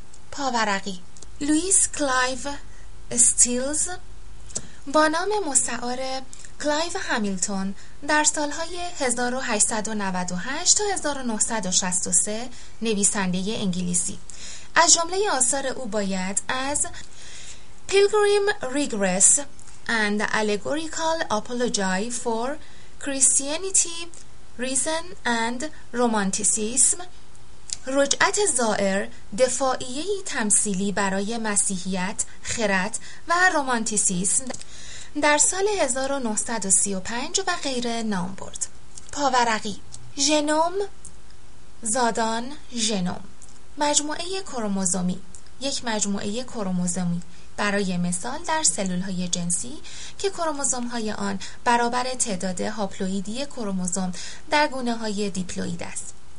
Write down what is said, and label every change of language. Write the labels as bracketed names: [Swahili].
[Persian] پاورقی لوئیس کلایو استیلز با نام مستعار کلایو همیلتون در سالهای 1898 تا 1963 نویسنده انگلیسی. از جمله آثار او باید از Pilgrim Regress [English] and allegorical apology for Christianity, reason and romanticism. [Persian] رجعت زائر دفاعیه تمثیلی برای مسیحیت، خرد و رومانتیسیسم در سال 1935 و غیره نام برد. پاورقی ژنوم، زادان، ژنوم مجموعه کروموزومی، یک مجموعه کروموزومی برای مثال در سلول‌های جنسی که کروموزوم‌های آن برابر تعداد هاپلوئیدی کروموزوم در گونه‌های دیپلوئید است.